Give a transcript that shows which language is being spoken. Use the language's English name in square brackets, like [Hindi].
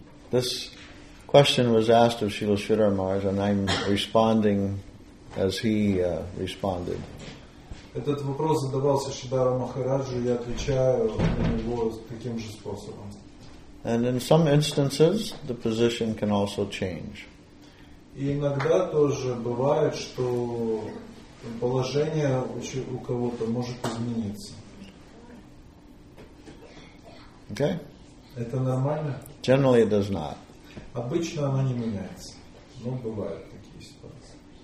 [English] This question was asked of Srila Sridhar Maharaj, and I'm responding as he responded. [Russian] Этот вопрос задавался Шридхара Махараджу, и я отвечаю на него таким же способом. [English] And in some instances, the position can also change. [Russian] И иногда тоже бывает, что положение у кого-то может измениться. [English] Okay. [Russian] Это нормально? [English] Generally, it does not. [Russian] Обычно оно не меняется, но бывают такие ситуации.